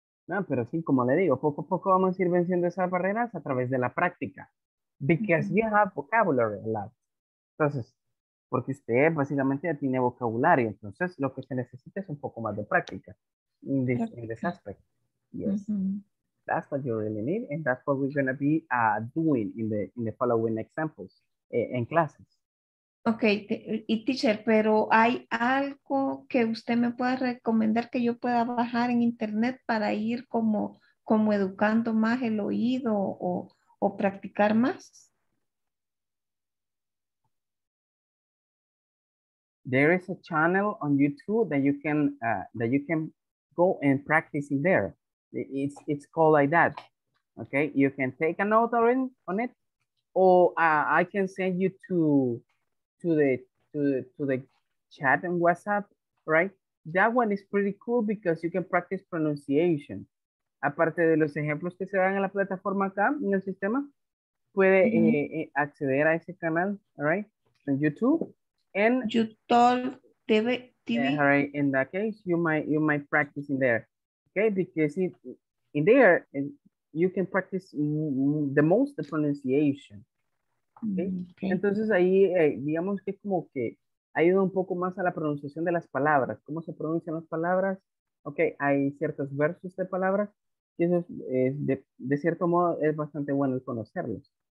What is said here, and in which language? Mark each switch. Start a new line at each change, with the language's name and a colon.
Spanish: No, pero sí, como le digo, poco a poco vamos a ir venciendo esas barreras a través de la práctica.
English: Because you have vocabulary a lot.
Spanish: Entonces, porque usted básicamente ya tiene vocabulario, entonces lo que se necesita es un poco más de práctica en ese aspecto.
English: Yes, mm-hmm. That's what you really need, and that's what we're gonna be doing in the following examples in classes.
Spanish: Okay, y teacher, pero hay algo que usted me pueda recomendar que yo pueda bajar en internet para ir como como educando más el oído o practicar más.
English: There is a channel on YouTube that you can go and practice in there. It's called like that. Okay, you can take a note on it, or I can send you to the chat on WhatsApp, right? That one is pretty cool because you can practice pronunciation.
Spanish: Aparte de los ejemplos que se dan en la plataforma acá, en el sistema, puede acceder a ese canal, right?
English: On YouTube and YouTube TV. All right, in that case, you might practice in there, okay? Because in there, you can practice the most the pronunciation. Okay.
Spanish: Entonces ahí digamos que como que ayuda un poco más a la pronunciación de las palabras, cómo se pronuncian las palabras. Okay, hay ciertos versos de palabras y eso es, de cierto modo es bastante bueno el conocerlos.